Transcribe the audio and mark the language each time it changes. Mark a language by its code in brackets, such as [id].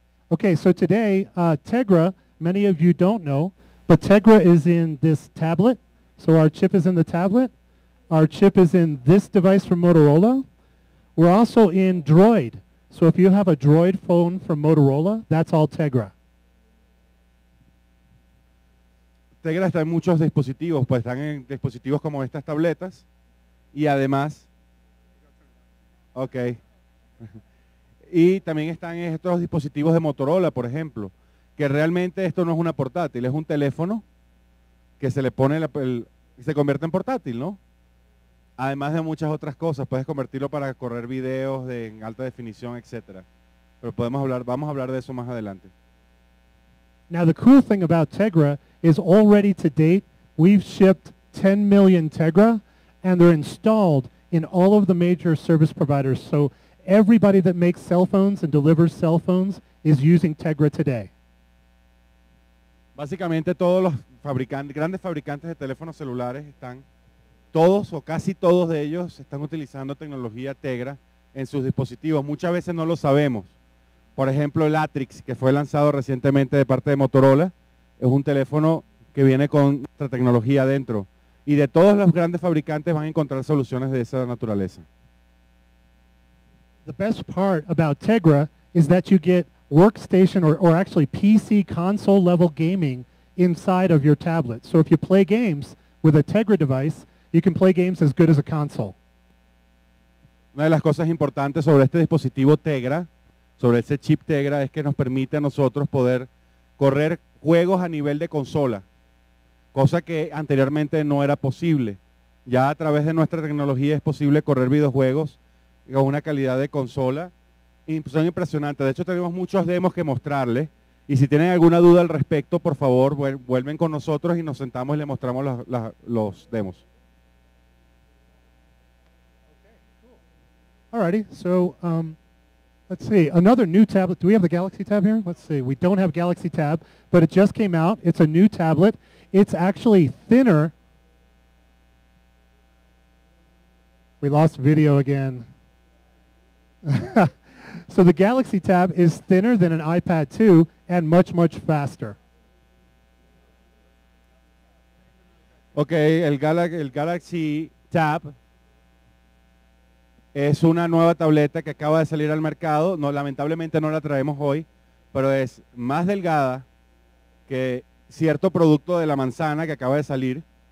[en] Okay, so today, Tegra, many of you don't know, but Tegra is in this tablet. So our chip is in the tablet. Our chip is in this device from Motorola. We're also in Droid. So if you have a Droid phone from Motorola, that's all Tegra. [es] Tegra está en muchos dispositivos, pues están en dispositivos como estas tabletas. Y además, okay. Y también están en estos dispositivos de Motorola, por ejemplo, que realmente esto no es una portátil, es un teléfono que se le pone se convierte en portátil, ¿no? Además de muchas otras cosas, puedes convertirlo para correr videos en alta definición, etcétera. Pero vamos a hablar de eso más adelante. [en] Now the cool thing about Tegra is already to date we've shipped 10 million Tegra and they're installed in all of the major service providers. So everybody that makes cell phones and delivers cell phones is using Tegra today. [es] Básicamente todos los grandes fabricantes de teléfonos celulares están, todos o casi todos de ellos están utilizando tecnología Tegra en sus dispositivos. Muchas veces no lo sabemos. Por ejemplo, el Atrix, que fue lanzado recientemente de parte de Motorola, es un teléfono que viene con nuestra tecnología dentro. Y de todos los grandes fabricantes van a encontrar soluciones de esa naturaleza. [en] The best part about Tegra is that you get workstation or actually PC console level gaming inside of your tablet. So if you play games with a Tegra device, you can play games as good as a console. [es] Una de las cosas importantes sobre este dispositivo Tegra, sobre ese chip Tegra, es que nos permite a nosotros poder correr juegos a nivel de consola, cosa que anteriormente no era posible. Ya a través de nuestra tecnología es posible correr videojuegos con una calidad de consola, y son impresionantes. De hecho, tenemos muchos demos que mostrarles, y si tienen alguna duda al respecto, por favor, vuelven con nosotros y nos sentamos y les mostramos los demos. [en] All righty, so, let's see, another new tablet. Do we have the Galaxy Tab here? Let's see, we don't have Galaxy Tab, but it just came out. It's a new tablet. It's actually thinner. We lost video again. So the Galaxy Tab is thinner than an iPad 2 and much, much faster. [es] Okay, el Galaxy Tab es una nueva tableta que acaba de salir al mercado. No, lamentablemente no la traemos hoy, pero es más delgada que cierto producto de la manzana que acaba de salir.